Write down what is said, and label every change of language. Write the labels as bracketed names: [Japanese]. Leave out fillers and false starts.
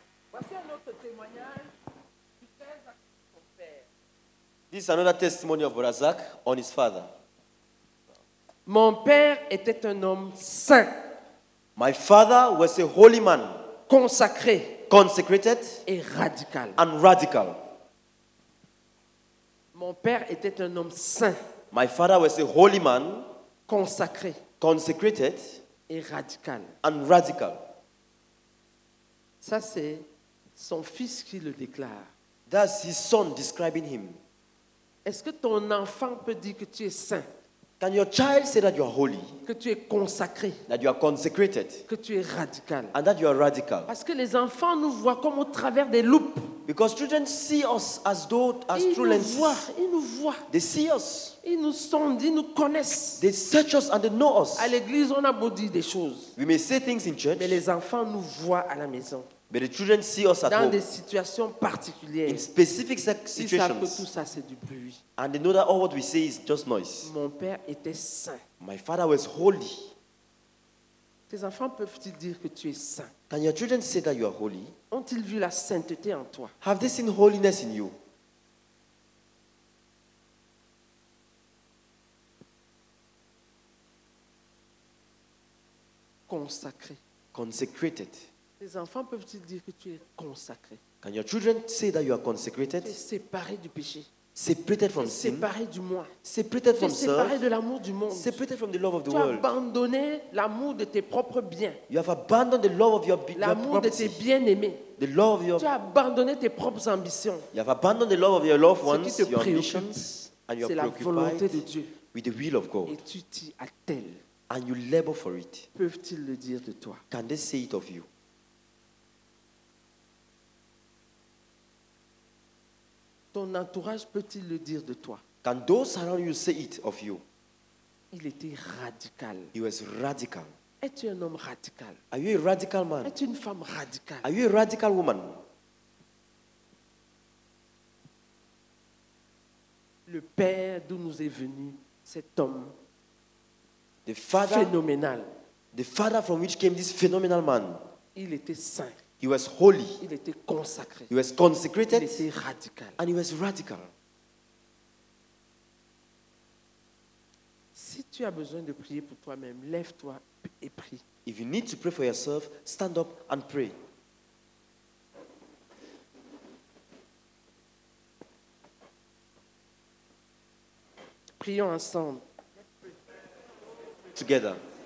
[French] Voici un autre témoignage du frère Zach, son père. [English] This is another testimony of Razak on his father. [French] Mon père était un homme saint. [English] My father was a holy man. [French] Consacré. [English] Consecrated. [French] Et radical. [English] And radical. [French] Mon père était un homme saint. [English] My father was a holy man. [French] Consacré. [English] Consecrated. [French] et radical. [English] And radical. [French] Ça, c'est son fils qui le déclare. [English] That's his son describing him. [French] Est-ce que ton enfant peut dire que tu es saint? [English] Can your child say that you are holy? [French] Que tu es consacré? [English] That you are consecrated? [French] Que tu es radical? [English] And that you are radical? [French] Parce que les enfants nous voient comme au travers des loupes. [English] Because children see us as though as through lenses. [French] Ils nous voient. [English] They see us. [French] Ils nous sondent, ils nous connaissent. [English] They search us and they know us. [French] À l'église, on a beau dire des choses. [English] We may say things in church. [French] Mais les enfants nous voient à la maison. [English] But the children see us at [French] dans [English] home. [French] Des situations particulières. [English] In specific situations. [French] Ils savent que tout ça c'est du bruit. [English] And they know that all what we say is just noise. [French] Mon père était saint. [English] My father was holy. [French] Tes enfants peuvent-ils dire que tu es saint? [English] Can your children say that you are holy? [French] Ont-ils vu la sainteté en toi? [English] Have they seen holiness in you? [French] Consacré. [English] Consecrated. [French] Tes enfants peuvent-ils dire que tu es consacré? [English] Can your children say that you are consecrated? [French] Tu es séparé du péché. [English] Separated from sin. [French] Séparé du moi. [English] Separated from self. [French] Séparé de l'amour du monde. [English] Separated from the love of the [French] tu [English] world. [French] Tu as abandonné l'amour de tes propres biens. [English] You have abandoned the love of your property. [French] L'amour de tes bien-aimés. [English] The love of your. [French] Tu as abandonné tes propres ambitions. [English] You have abandoned the love of your loved ones. [French] Ce qui te [English] your ambitions and your preoccupations. [French] C'est la volonté de Dieu. [English] With the will of God. [French] Et tu t'y attelles. [English] And you labor for it. [French] Peuvent-ils le dire de toi? [English] Can they say it of you? [French] Ton entourage peut-il le dire de toi? [English] Can those around you say it of you? [French] Il était radical. [English] He was radical. [French] Es-tu un homme radical? [English] Are you a radical man? [French] Es-tu une femme radicale? [English] Are you a radical woman? [French] Le père d'où nous est venu cet homme. [English] The father. [French] Phénoménal. [English] The father from which came this phenomenal man. [French] Il était saint. [English] He was holy. [French] Il était consacré. [English] He was consecrated. [French] Il était radical. [English] And he was radical. [French] Si tu as besoin de prier pour toi-même, lève-toi et prie. [English] If you need to pray for yourself, stand up and pray. [French] Prions ensemble. [English] Together.